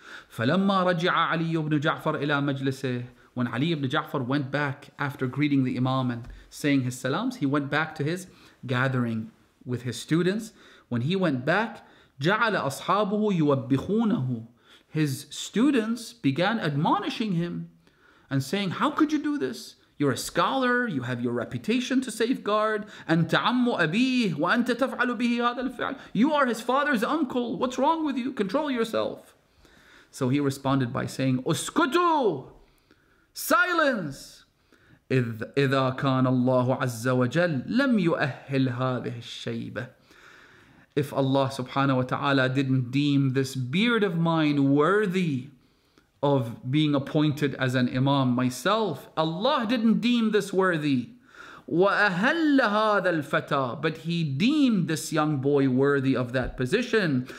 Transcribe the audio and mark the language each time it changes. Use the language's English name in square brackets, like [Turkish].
[Arabic] فَلَمَّا رَجِعَ عَلِيُّ ibn Ja'far إِلَى مَجْلِسِهِ [English] When Ali ibn Ja'far went back after greeting the imam and saying his salams, he went back to his gathering with his students. When he went back, [Arabic] جَعَلَ أَصْحَابُهُ يُوَبِّخُونَهُ [English] His students began admonishing him and saying, how could you do this? You're a scholar, you have your reputation to safeguard. [Arabic] أَنْتَ عَمُّ أَبِيهِ وَأَنْتَ تَفْعَلُ بِهِ هَذَا الْفِعْلِ [English] You are his father's uncle. What's wrong with you? Control yourself. So he responded by saying, [Arabic] أُسْكُتُوا [English] Silence! [Arabic] إذا كان الله عز وجل لم يؤهل هذه الشيبة [English] if Allah subhanahu wa ta'ala didn't deem this beard of mine worthy of being appointed as an imam myself. Allah didn't deem this worthy. [Arabic] وَأَهَلَّ هَذَا الْفَتَى [English] But he deemed this young boy worthy of that position.